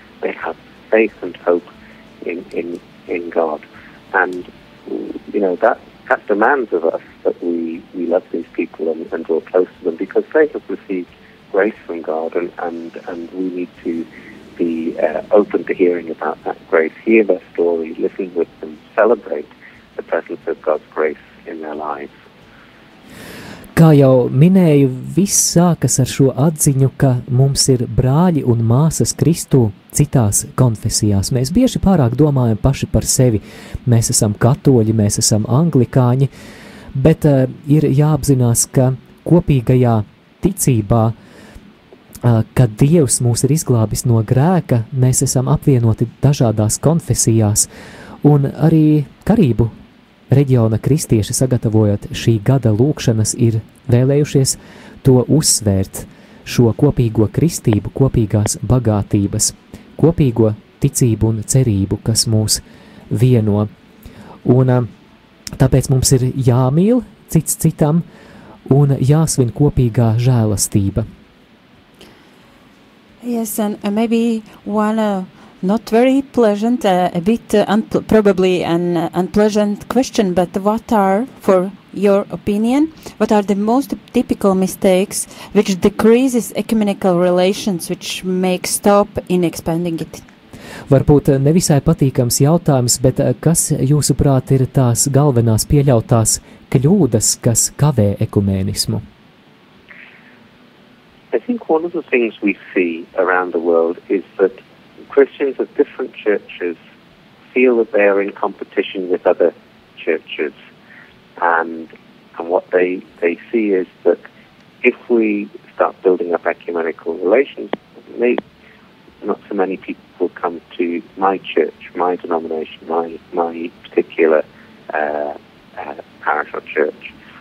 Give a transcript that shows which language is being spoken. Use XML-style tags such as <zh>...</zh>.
<en>They have faith and hope in God, and you know that demands of us that we love these people and draw close to them, because they have received grace from God, and we need to be open to hearing about that grace, hear their story, listen with them, celebrate the presence of God's grace in their lives.</en> <lv>Kā jau minēju, viss sākas ar šo atziņu, ka mums ir brāļi un māsas Kristu citās konfesijās. Mēs bieži pārāk domājam paši par sevi. Mēs esam katoļi, mēs esam anglikāņi, bet ir jāapzinās, ka kopīgajā ticībā, kad Dievs mūs ir izglābis no grēka, mēs esam apvienoti dažādās konfesijās, un arī Karību reģiona kristieši, sagatavojot šī gada lūkšanas, ir vēlējušies to uzsvērt, šo kopīgo kristību, kopīgās bagātības, kopīgo ticību un cerību, kas mūs vieno. Un tāpēc mums ir jāmīl cits citam un jāsvin kopīgā žēlastība.</lv> <en>Yes, and maybe one not very pleasant, unpleasant question, but what are, for your opinion, what are the most typical mistakes which decreases ecumenical relations, which makes stop in expanding it?</en> <lv>Varbūt nevisai patīkams jautājums, bet kas jūsuprāt ir tās galvenās pieļautās kļūdas, kas kavē ekumenismu?</lv> <en>I think one of the things we see around the world is that Christians of different churches feel that they are in competition with other churches, and what they see is that if we start building up ecumenical relations, maybe not so many people will come to my church, my denomination, my particular parish or church.</en>